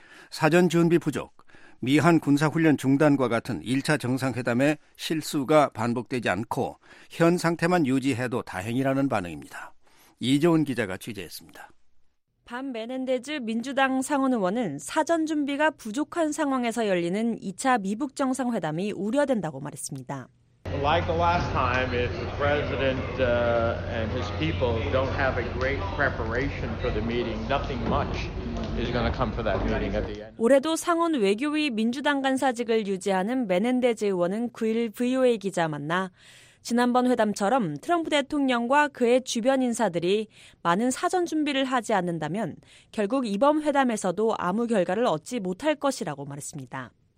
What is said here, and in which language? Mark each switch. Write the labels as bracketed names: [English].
[Korean] 사전 준비 부족, 미한 군사훈련 중단과 같은 1차 정상회담의 실수가 반복되지 않고 현 상태만 유지해도 다행이라는 반응입니다. 이재훈 기자가 취재했습니다. 밤 메넨데즈 민주당 상원 의원은 사전 준비가 부족한 상황에서 열리는 2차 미북 정상회담이 우려된다고 말했습니다. [English] Like the last time, if the president and his people don't have a great preparation for the meeting, nothing much is going to come for that meeting at the end. [Korean] 올해도 상원 외교위 민주당 간사직을 유지하는 메넨데즈 의원은 9일 VOA 기자 만나 지난번 회담처럼 트럼프 대통령과 그의 주변 인사들이 많은 사전 준비를 하지 않는다면 결국 이번 회담에서도 아무 결과를 얻지 못할 것이라고 말했습니다.